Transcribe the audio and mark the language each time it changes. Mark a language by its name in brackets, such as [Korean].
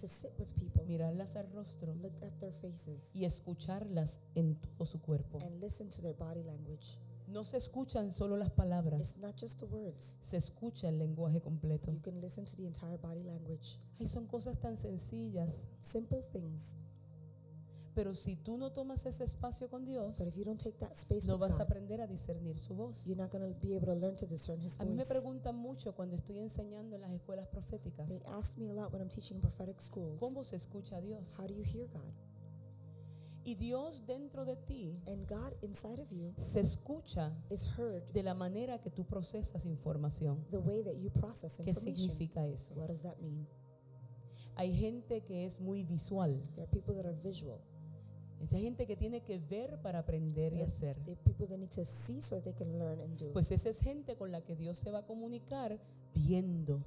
[English] To sit with people. [Spanish] Mirarlas al rostro. [English] Look at their faces. [Spanish] Y escucharlas en todo su cuerpo. [English] And listen to their body language. [Spanish] No se escuchan solo las palabras. [English] It's not just the words. [Spanish] Se escucha el lenguaje completo. [English] You can listen to the entire body language. [Spanish] Ay, son cosas tan sencillas. [English] Simple things. [Spanish] Pero si tú no tomas ese espacio con Dios, [English] but if you don't take that space, [Spanish] no [English] with [Spanish] vas [English] God, [Spanish] a aprender a discernir su voz. [English] You're not going to be able to learn to discern his voice. [Spanish] A mí me preguntan mucho cuando estoy enseñando en las escuelas proféticas. [English] They ask me a lot when I'm teaching in prophetic schools. [Spanish] ¿Cómo se escucha a Dios? [English] How do you hear God? [Spanish] Y Dios dentro de ti, [English] and God inside of you, [Spanish] se escucha, [English] is heard, [Spanish] de la manera que tú procesas información. [English] The way that you process information. [Spanish] ¿Qué significa eso? [English] What does that mean? [Spanish] Hay gente que es muy visual. [English] There are people that are visual. [Spanish] Hay gente que tiene que ver para aprender y hacer. [English] People that need to see so they can learn and do. [Spanish] Pues esa es gente con la que Dios se va a comunicar viendo.